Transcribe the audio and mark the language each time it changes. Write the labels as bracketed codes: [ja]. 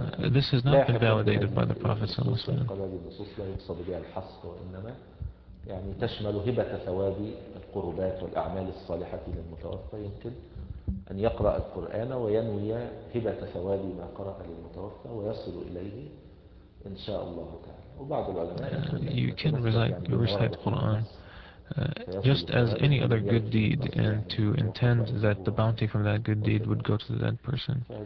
[en] This has not been validated by the Prophet [ar] صلى الله عليه وسلم. هذه النصوص لا يقصد بها الحصر وإنما يعني تشمل هبة ثواب القربات والأعمال الصالحة للمتوفى. يمكن أن يقرأ القرآن وينوي هبة ثواب ما قرأ للمتوفى ويصل إليه إن شاء الله تعالى. وبعض العلماء [en] you can recite Quran just as any other good deed, and to intend that the bounty from that good deed would go to the dead person.